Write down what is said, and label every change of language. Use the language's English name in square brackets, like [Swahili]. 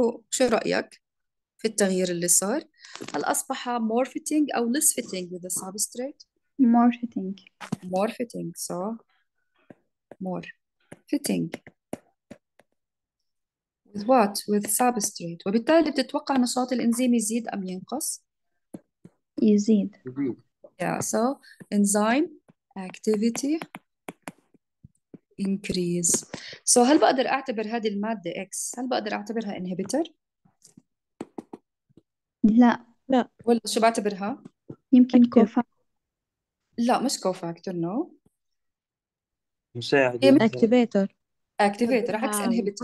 [Arabic] شو رأيك في التغيير اللي صار؟ هل أصبح [English] more fitting [Arabic] أو [English] less fitting with the substrate؟ marketing More fitting، so more fitting with what؟ With substrate. [Arabic] وبالتالي بتتوقع نشاط الإنزيم يزيد أم ينقص؟ يزيد يزيد. [English] Yeah, so enzyme activity increase. [Arabic] So هل بقدر أعتبر هذه المادة X، هل بقدر أعتبرها inhibitor؟ لا لا ولا شو بعتبرها؟ يمكن أكتر. كوفا لا مش كوفاكتور، نو مساعد هي يعني [English] activator [Arabic] اكتيفيتر عكس انهبيتر.